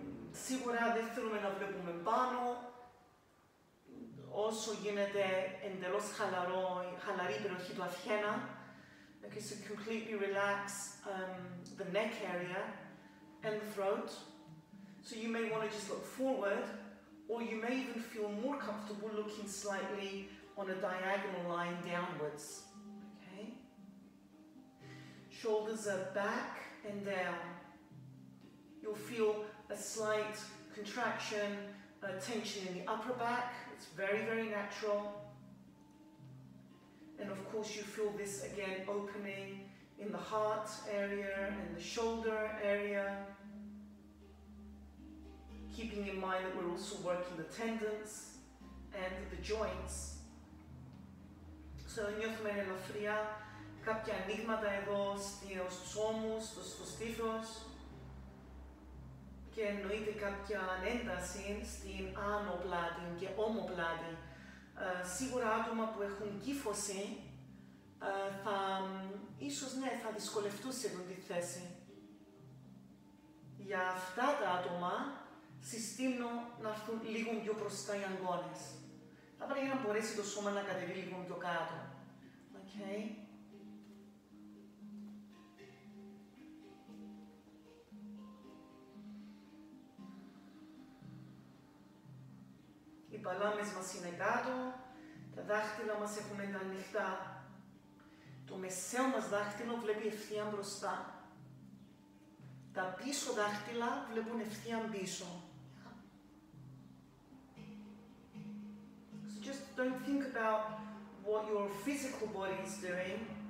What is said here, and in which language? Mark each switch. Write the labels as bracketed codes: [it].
[el] Σίγουρα δεν θέλουμε να βλέπουμε πάνω. Όσο γίνεται εντελώς χαλαρή η περιοχή του αυχένα. [en] Okay, so completely relax the neck area and the throat. So you may want to just look forward, or you may even feel more comfortable looking slightly on a diagonal line downwards. Okay. Shoulders are back and down. You'll feel a slight contraction, tension in the upper back. It's very, very natural. And of course, you feel this again opening in the heart area and the shoulder area. Keeping in mind that we're also working the tendons and the joints. [el] So, νιώθουμε ελαφριά, κάποια ανοίγματα εδώ στους ώμους, στο στήθος και εννοείται κάποια ένταση στην άνω πλάτη και ώμο πλάτη. Σίγουρα άτομα που έχουν κύφωση θα ίσως ναι, θα δυσκολευτούν σε αυτή τη θέση. Για αυτά τα άτομα συστήνω να έρθουν λίγο πιο μπροστά οι αγκώνες. Απλά για να μπορέσει το σώμα να κατεβεί λίγο πιο κάτω. Okay. Οι παλάμες μας είναι κάτω, τα δάχτυλα μας έχουν τα ανοιχτά. Το μεσαίο μας δάχτυλο βλέπει ευθεία μπροστά. Τα πίσω δάχτυλα βλέπουν ευθεία πίσω. [en] Just don't think about what your physical body is doing.